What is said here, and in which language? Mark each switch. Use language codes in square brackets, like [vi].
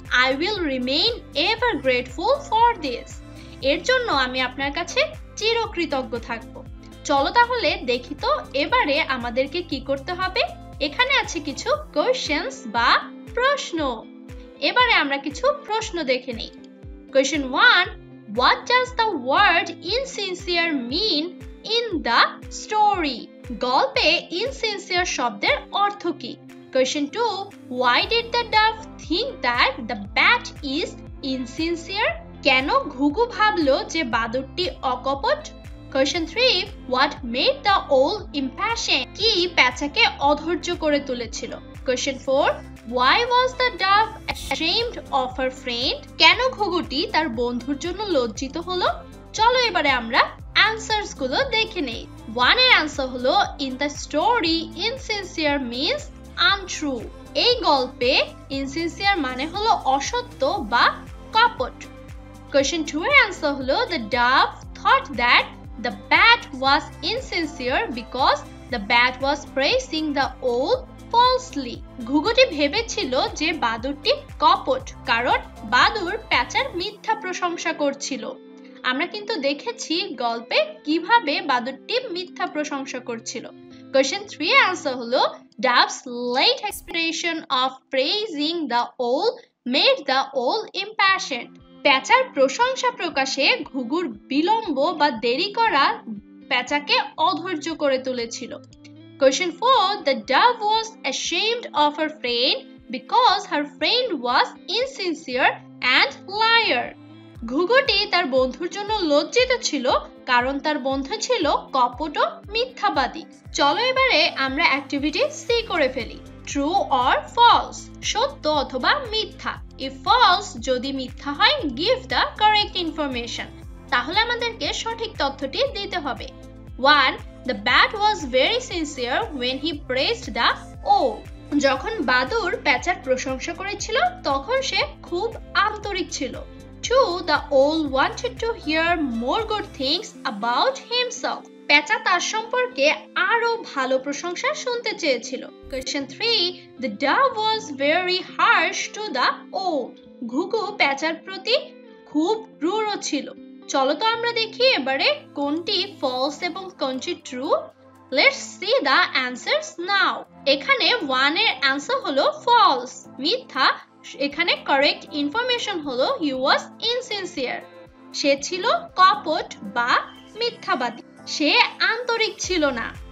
[en] I will remain ever grateful for this, [bn] এর জন্য আমি আপনার কাছে চিরকৃতজ্ঞ থাকব। চলো তাহলে দেখি তো এবারে আমাদেরকে কি করতে হবে। এখানে আছে কিছু কোয়েশ্চেন বা প্রশ্ন। এবারে আমরা কিছু প্রশ্ন দেখে নেই। [en] Question 1. What does the word insincere mean in the story? [bn] গল্পে insincere শব্দের অর্থ কি? [en] Question 2. Why did the dove think that the bat is insincere? [bn] কেন ঘুঘু ভাবলো যে বাদুড়টি অকপট? [en] Question 3. What made the owl impatient? [bn] কি প্যাঁচাকে অধৈর্য করে তুলেছিল? [en] Question 4. Why was the dove ashamed of her friend? [bn] কেন ঘুঘুটি তার বন্ধুর জন্য লজ্জিত হলো? চলো এবারে আমরা answers গুলো দেখে নেই। [en] 1 [bn] এর [en] answer [bn] হলো [en] in the story insincere means untrue. [bn] এই গল্পে insincere মানে হলো অসত্য বা কপট। [en] Question 2 [bn] এর [en] answer [bn] হলো [en] the dove thought that the bat was insincere because the bat was praising the owl falsely. [bn] ঘুঘুটি ভেবেছিল যে বাদুড়টি কপট কারণ বাদুড় প্যাঁচার মিথ্যা প্রশংসা করছিল। আমরা কিন্তু দেখেছি গল্পে কিভাবে বাদুড়টি মিথ্যা প্রশংসা করছিল। [en] Question 3 answer [bn] হলো [en] dove's late expression of praising the owl made the owl impatient. [bn] প্যাঁচার প্রশংসা প্রকাশে ঘুঘুর বিলম্ব বা দেরি করা প্যাঁচাকে অধৈর্য করে তুলেছিল। [en] Question 4. The dove was ashamed of her friend because her friend was insincere and liar. [bn] ঘুঘুটি তার বন্ধুর জন্য লজ্জিত ছিল কারণ তার বন্ধু ছিল কপট ও মিথ্যাবাদী। চলো এবারে আমরা অ্যাক্টিভিটি সি করে ফেলি। [en] true or false, [bn] সত্য অথবা মিথ্যা। [en] if false, [bn] যদি মিথ্যা হয়, [en] give the correct information, [bn] তাহলে আমাদেরকে সঠিক তথ্যটি দিতে হবে। 1. [en] The bat was very sincere when he praised the owl. [bn] যখন বাদুড় প্যাঁচার প্রশংসা করেছিল তখন সে খুব আন্তরিক ছিল। 2. [en] The owl wanted to hear more good things about himself. [bn] প্যাঁচা তার সম্পর্কে আরো ভালো প্রশংসা শুনতে চেয়েছিল। [en] Question 3. The dove was very harsh to the owl. [bn] ঘুঘু প্যাঁচার প্রতি খুব রূঢ় ছিল। চলো তো আমরা দেখি এবারে কোনটি ফলস এবং কোনটি true. [en] Let's see the answers now. [bn] এখানে 1 এর অ্যানসার হলো ফলস, মিথ্যা। এখানে কারেক্ট ইনফরমেশন হলো [en] he was insincere, [bn] সে ছিল কপট বা মিথ্যাবাদী, সে আন্তরিক ছিল না।